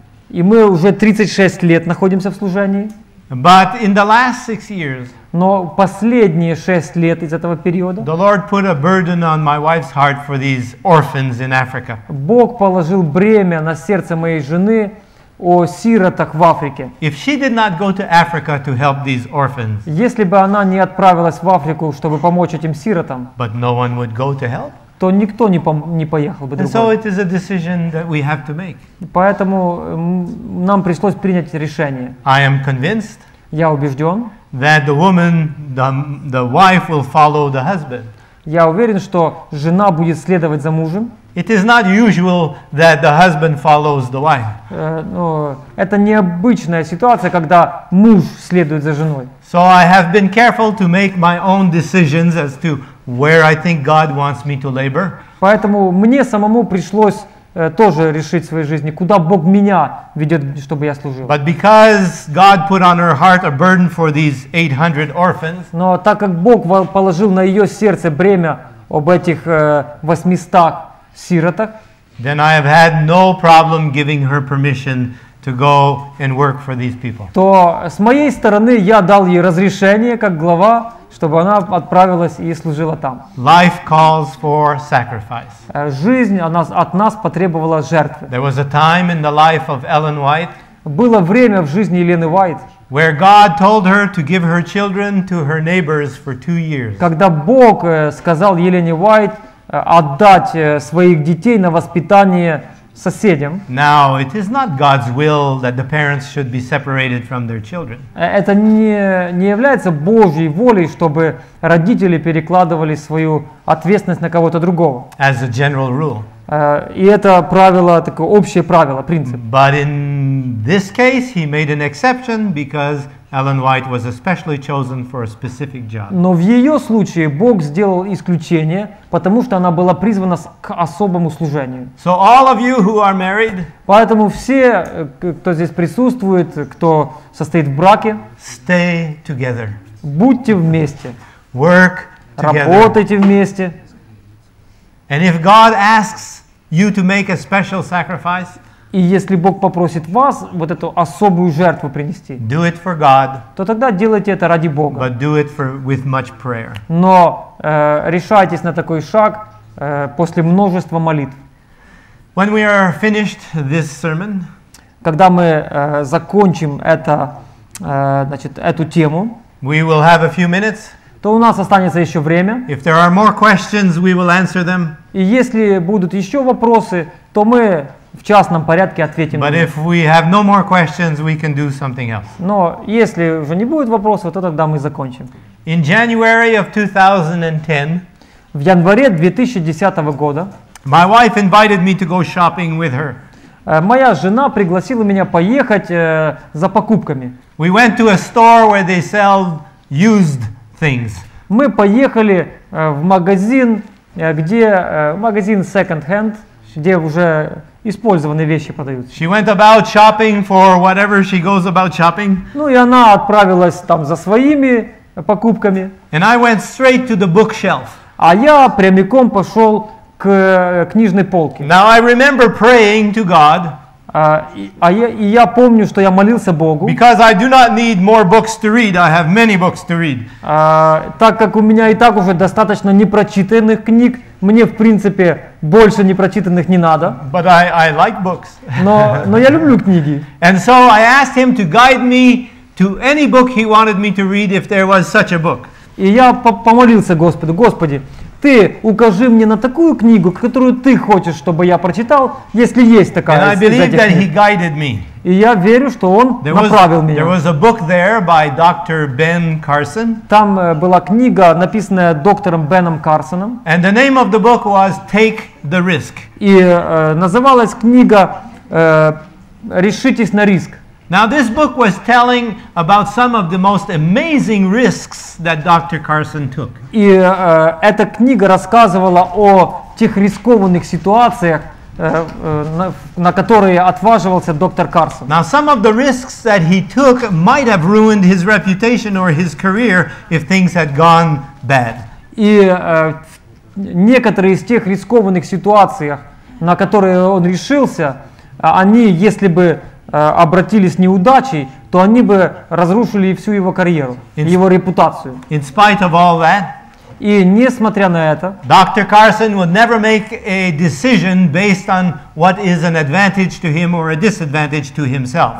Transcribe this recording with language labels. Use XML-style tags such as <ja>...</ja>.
<ru>И мы уже 36 лет находимся в служении.</ru> <en>But in the last 6 years,</en> <ru>но последние 6 лет из этого периода,</ru> <en>the Lord put a burden on my wife's heart for these orphans in Africa.</en> <ru>Бог положил бремя на сердце моей жены о сиротах в Африке.</ru> <en>If she did not go to Africa to help these orphans,</en> <ru>если бы она не отправилась в Африку, чтобы помочь этим сиротам,</ru> <en>but no one would go to help,</en> <ru>то никто не поехал бы другой.</ru> <en>And so it is a decision that we have to make.</en> <ru>Поэтому нам пришлось принять решение.</ru> <en>I am convinced.</en> <ru>Я убежден.</ru> <en>That the woman, the wife will follow the husband.</en> <ru>Я уверен, что жена будет следовать за мужем.</ru> <en>It is not usual that the husband follows the wife.</en> <ru>Это необычная ситуация, когда муж следует за женой.</ru> <en>So I have been careful to make my own decisions as to where I think God wants me to labor.</en> <ru>Поэтому мне самому пришлось тоже решить в своей жизни, куда Бог меня ведет, чтобы я служил.</ru> <en>But because God put on her heart a burden for these 800 orphans.</en> <ru>Но так как Бог положил на ее сердце бремя об этих 800 сиротах,</ru> <en>then I have had no problem giving her permission to go and work for these people.</en> <ru>То с моей стороны я дал ей разрешение как глава, чтобы она отправилась и служила там.</ru> <en>Life calls for sacrifice.</en> <ru>Жизнь от нас потребовала жертвы.</ru> <en>There was a time in the life of Ellen White.</en> <ru>Было время в жизни Елены Уайт,</ru> <en>where God told her to give her children to her neighbors for 2 years.</en> <ru>Когда Бог сказал Елене Уайт отдать своих детей на воспитание соседям.</ru> <en>Now, it is not God's will that the parents should be separated from their children.</en> <ru>Это не является Божьей волей, чтобы родители перекладывали свою ответственность на кого-то другого.</ru> <en>As a general rule.</en> <ru>И это правило, такое общее правило, принцип.</ru> <en>But in this case, he made an exception because Ellen White was especially chosen for a specific job.</en> <ru>Но в её случае Бог сделал исключение, потому что она была призвана к особому служению.</ru> <en>So all of you who are married,</en> <ru>поэтому все, кто здесь присутствует, кто состоит в браке,</ru> <en>stay together.</en> <ru>Будьте вместе.</ru> <en>Work together.</en> <ru>Работайте вместе.</ru> <en>And if God asks you to make a special sacrifice,</en> <ru>и если Бог попросит вас вот эту особую жертву принести,</ru> <en>do it for God,</en> <ru>то тогда делайте это ради Бога.</ru> <en>But do it for, with much prayer.</en> <ru>Но решайтесь на такой шаг после множества молитв.</ru> <en>When we are finished this sermon,</en> <ru>когда мы закончим это, значит, эту тему,</ru> <en>we will have a few minutes,</en> <ru>то у нас останется еще время.</ru> <en>If there are more questions, we will answer them.</en> <ru>И если будут еще вопросы, то мы в частном порядке ответим.</ru> <en>But if we have no more questions, we can do something else.</en> <ru>Но если уже не будет вопросов, то тогда мы закончим.</ru> <en>In January of 2010,</en> <ru>в январе 2010 года,</ru> <en>my wife invited me to go shopping with her.</en> <ru>Моя жена пригласила меня поехать за покупками.</ru> <en>We went to a store where they sell used things.</en> <ru>Мы поехали в магазин, где магазин second-hand, где уже использованные вещи продаются.</ru> <en>She went about shopping for whatever she goes about shopping.</en> <ru>Ну и она отправилась там за своими покупками.</ru> <en>And I went straight to the bookshelf.</en> <ru>А я прямиком пошел к книжной полке.</ru> <en>Now I remember praying to God.</en> <ru>Я помню, что я молился Богу.</ru> <en>Because I do not need more books to read. I have many books to read.</en> <ru>Так как у меня и так уже достаточно непрочитанных книг, мне, в принципе, больше непрочитанных не надо.</ru> <en>But I like books.</en> <ru>Но я люблю книги.</ru> <en>And so I asked him to guide me to any book he wanted me to read if there was such a book.</en> <ru>И я помолился Господу: Господи, Ты укажи мне на такую книгу, которую Ты хочешь, чтобы я прочитал, если есть такая.</ru> <en>And I believe that he guided me.</en> <ru>И я верю, что он направил меня.</ru> <en>There was a book there by Dr. Ben Carson.</en> <ru>Там была книга, написанная доктором Беном Карсоном.</ru> <en>And the name of the book was Take the Risk.</en> <ru>И называлась книга «Решитесь на риск».</ru> <en>Now this book was telling about some of the most amazing risks that Dr. Carson took.</en> <ru>И эта книга рассказывала о тех рискованных ситуациях, на которые отваживался доктор Карсон.</ru> <en>Now some of the risks that he took might have ruined his reputation or his career if things had gone bad.</en> <ru>И некоторые из тех рискованных ситуаций, на которые он решился, они, если бы обратились неудачей, то они бы разрушили всю его карьеру, его репутацию.</ru> <en>In spite of all that,</en> <ru>и несмотря на это,</ru> <en>Dr. Carson would never make a decision based on what is an advantage to him or a disadvantage to himself.</en>